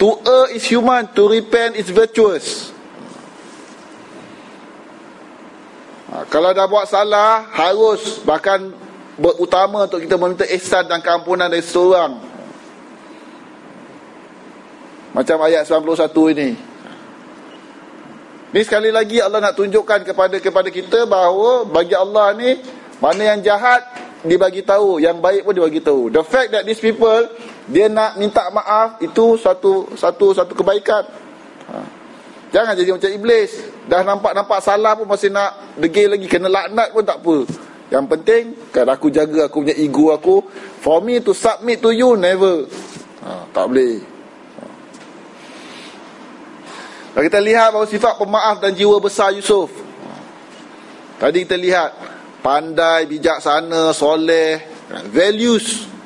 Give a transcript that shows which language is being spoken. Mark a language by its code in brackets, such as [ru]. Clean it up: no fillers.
[en] To err is human, to repent is virtuous. [ms] Kalau dah buat salah, harus bahkan berutama untuk kita meminta ihsan dan keampunan dari seseorang. Macam ayat 91 ini. Ini sekali lagi Allah nak tunjukkan kepada kita bahawa bagi Allah ni, mana yang jahat dibagi tahu, yang baik pun dibagi tahu. The fact that these people dia nak minta maaf, itu satu kebaikan. Jangan jadi macam iblis, dah nampak salah pun masih nak degil lagi, kena laknat pun tak apa. Yang penting kan aku jaga aku punya ego aku. [en] For me to submit to you, never. [ms] Tak boleh. Dan kita lihat bahawa sifat pemaaf dan jiwa besar Yusuf. Tadi kita lihat pandai, bijaksana, soleh, values